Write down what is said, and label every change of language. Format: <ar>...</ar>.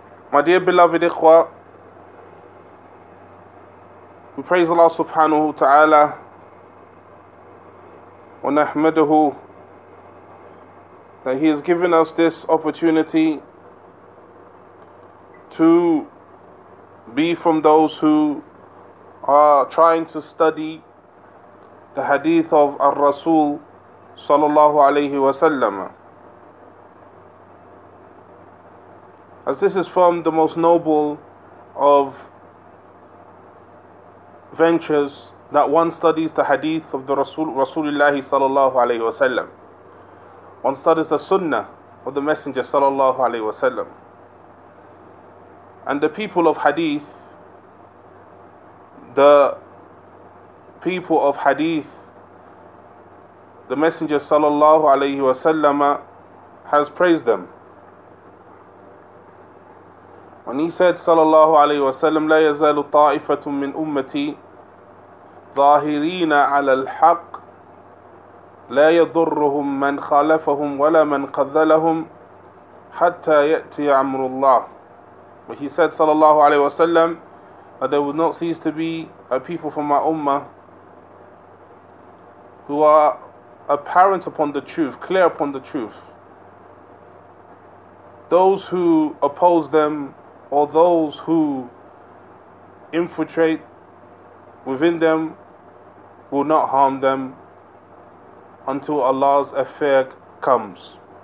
<en>My dear beloved ikhwa, we praise Allah subhanahu wa ta'ala wa nahmaduhu that He has given us this opportunity to be from those who are trying to study the hadith of Ar-Rasul sallallahu alayhi wa sallam. As this is from the most noble of ventures that one studies the hadith of the Rasulullah sallallahu alayhi wa sallam. One studies the sunnah of the Messenger sallallahu alayhi wa sallam. And the people of hadith, the Messenger sallallahu alayhi wa sallam has praised them. When he said sallallahu alayhi wa sallam,</en> <ar>لا يزال طائفة من أمتي ظاهرين على الحق لا يضرهم من خالفهم ولا من قذلهم حتى يأتي أمر الله.</ar> <en>But he said sallallahu alayhi wa sallam that there will not cease to be a people from my ummah who are apparent upon the truth, clear upon the truth. Those who oppose them or those who infiltrate within them will not harm them until Allah's affair comes.</en>